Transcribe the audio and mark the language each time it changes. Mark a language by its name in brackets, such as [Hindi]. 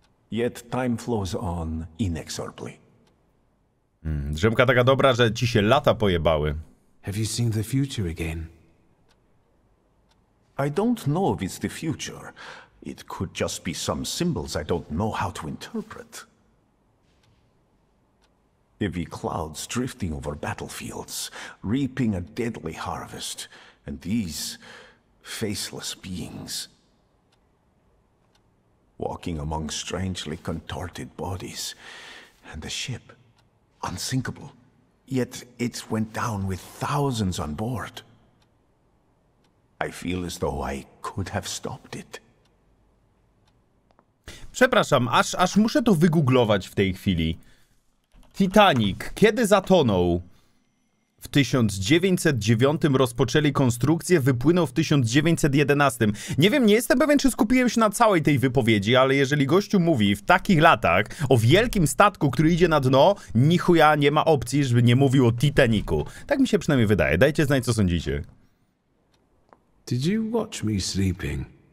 [English] Yet time flows on inexorably. [Polish] Drzemka taka dobra, że ci się lata pojebały. [English] Have you seen the future again? I don't know if it's the future. It could just be some symbols I don't know how to interpret. Heavy clouds drifting over battlefields, reaping a deadly harvest, and these faceless beings walking among strangely contorted bodies, and the ship, unsinkable, yet it went down with thousands on board. I feel as though I could have stopped it. [Polish] Przepraszam, aż muszę to wygooglować w tej chwili. Titanic, kiedy zatonął? W 1909 rozpoczęli konstrukcję, wypłynął w 1911. Nie wiem, nie jestem pewien, czy skupiłem się na całej tej wypowiedzi, ale jeżeli gościu mówi w takich latach o wielkim statku, który idzie na dno, nichuja nie ma opcji, żeby nie mówił o Titaniku. Tak mi się przynajmniej wydaje. Dajcie znać, co sądzicie. [English] Did you watch me sleeping?